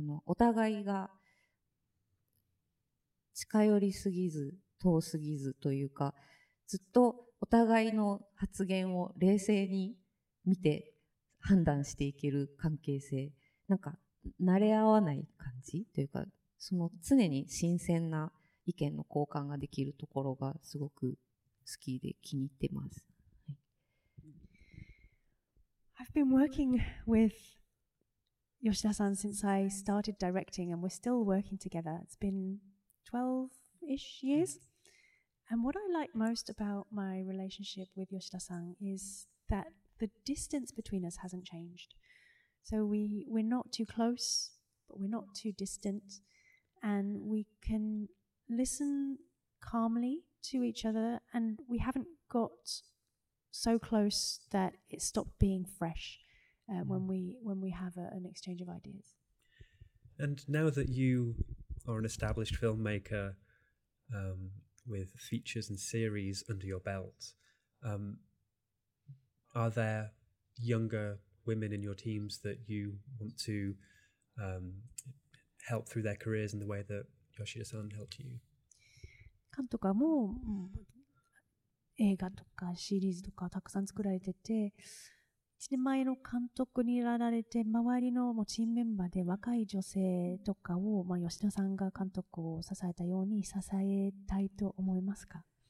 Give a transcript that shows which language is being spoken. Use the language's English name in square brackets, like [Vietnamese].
[Japanese] お互いが近寄りすぎず、遠すぎずというか、ずっとお互いの発言を冷静に見て判断していける関係性。なんか、慣れ合わない感じというか、その常に新鮮な意見の交換ができるところがすごく好きで気に入ってます。 [English] I've been working with Yoshida-san since I started directing, and we're still working together. It's been 12-ish years. And what I like most about my relationship with Yoshida-san is that the distance between us hasn't changed. So we're not too close, but we're not too distant. And we can listen calmly to each other, and we haven't got so close that it stopped being fresh when we have an exchange of ideas. And now that you are an established filmmaker with features and series under your belt, are there younger women in your teams that you want to help through their careers in the way that Yoshida-san helped you? [Japanese] 監督はもう映画とかシリーズとかたくさん作られてて、1年前の監督になられて、周りのもうチームメンバーで若い女性とかを、まあ、吉野さんが監督を支えたように支えたいと思いますか？